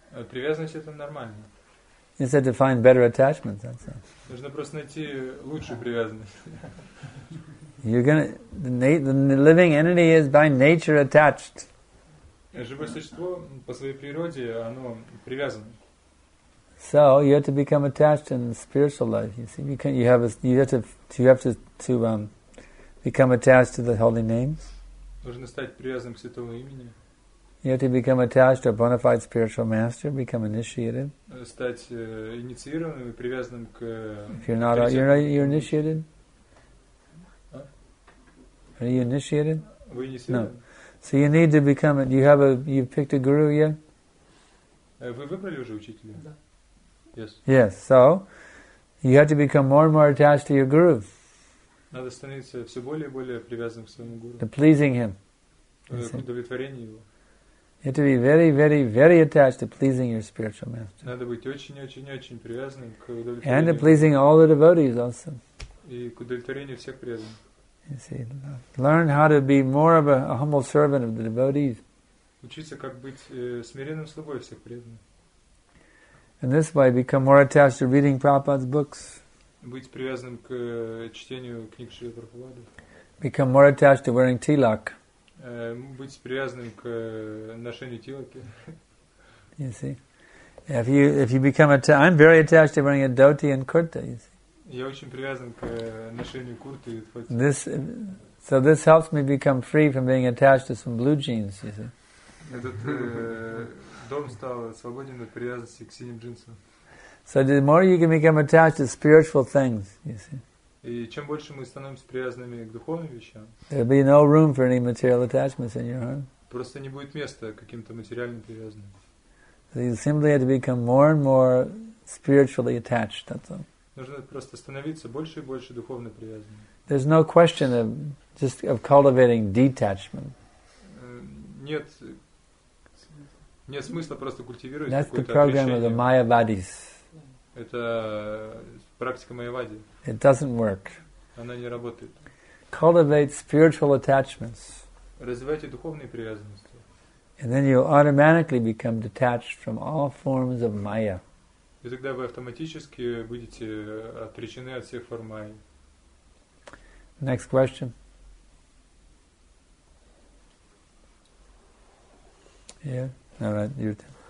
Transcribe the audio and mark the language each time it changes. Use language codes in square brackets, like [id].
[ru] Привязанность это нормально. [en] You said to find better attachments. That's all. [ru] Нужно просто найти лучшую привязанность. [en] You're gonna the living entity is by nature attached. [ru] Живое существо по своей природе оно привязано. [en] So you have to become attached in spiritual life. You see, you have to become attached to the holy names. [ru] Нужно стать привязанным к святому имени. [en] You have to become attached to a bona fide spiritual master, become initiated. [ru] Стать инициированным и привязанным к. [en] If you're not, you're initiated. Are you initiated? [ru] Вы инициированы. [en] No. So you need to become. You've picked a guru yet? [ru] Вы выбрали уже учителя? Да. [en] Yes. Yes. So you have to become more and more attached to your guru. [ru] Надо становиться все более и более привязанным к своему гуру. [en] To pleasing him. [ru] Удовлетворение его. [en] You have to be very, very, very attached to pleasing your spiritual master. [ru] Надо быть очень-очень-очень привязанным к удовлетворению. [en] And to pleasing all the devotees also. [ru] И к удовлетворению всех преданных. [en] You see, learn how to be more of a humble servant of the devotees. [ru] Учиться как быть смиренным слугой всех преданных. [en] In this way, become more attached to reading Prabhupada's books. [ru] Быть привязанным к чтению книг Шрилы Прабхупады. [en] Become more attached to wearing tilak. [ru] Быть привязанным к ношению тилаки. [en] You see, if you become attached, I'm very attached to wearing a dhoti and kurta. You see. [ru] Я очень привязан к ношению курты и дхоти. [en] This helps me become free from being attached to some blue jeans. You see. [ru] Дом стал свободен от привязанности к синим джинсам. [en] So the more you can become attached to spiritual things, you see. [ru] И чем больше мы становимся привязанными к духовным вещам. [en] There'll be no room for any material attachments in your heart. [ru] Просто не будет места каким-то материальным привязанным. [en] So you simply have to become more and more spiritually attached. That's all. [ru] Нужно просто становиться больше и больше духовно привязанным. [en] There's no question of just of cultivating detachment. [ru] Нет. Нет смысла просто культивировать. [en] That's the program of the Mayavadis. [ru] Это практика Майявади. [en] It doesn't work. [ru] Она не работает. [en] Cultivate spiritual attachments. [ru] Развивайте духовные привязанности. [en] And then you automatically become detached from all forms of Maya. [ru] И тогда вы автоматически будете отречены от всех форм Майи. [en] Next question. Yeah. All right, your turn.